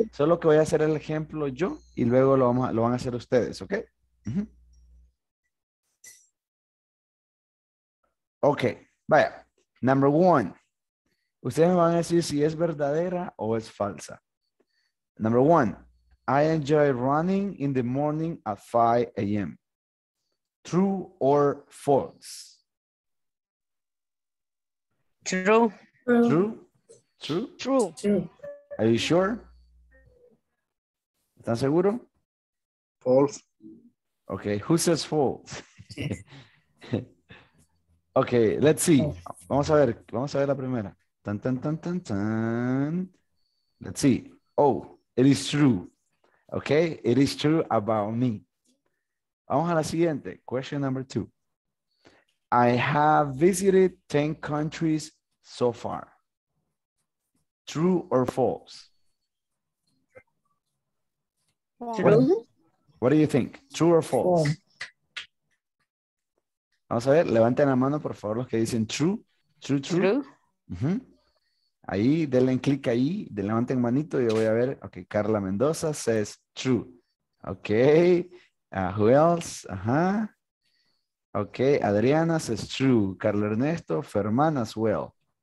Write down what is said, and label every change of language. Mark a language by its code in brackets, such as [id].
[es] Solo que voy a hacer el ejemplo yo y luego lo van a hacer ustedes, ¿ok? Ok, vaya. [en] Number one. [es] Ustedes me van a decir si es verdadera o es falsa. [en] Number one. I enjoy running in the morning at 5 a.m. True or false? True. True? True. True. Are you sure? [es] ¿Están seguro? [en] False. Okay, who says false? Okay, let's see. [es] Vamos a ver la primera. [en] Tan, tan, tan, tan, tan. Let's see. Oh, it is true. Okay, it is true about me. [es] Vamos a la siguiente. [en] Question number two. I have visited 10 countries so far. True or false? True. What do you think? True or false? False. [es] Vamos a ver, levanten la mano, por favor, los que dicen [en] true, true, true. True. [es] Uh-huh. Ahí, denle clic ahí, levanten manito y yo voy a ver. [en] Ok, Carla Mendoza says true. Ok, who else? Ajá. Ok, Adriana says true. Carlos Ernesto, Fermán as well.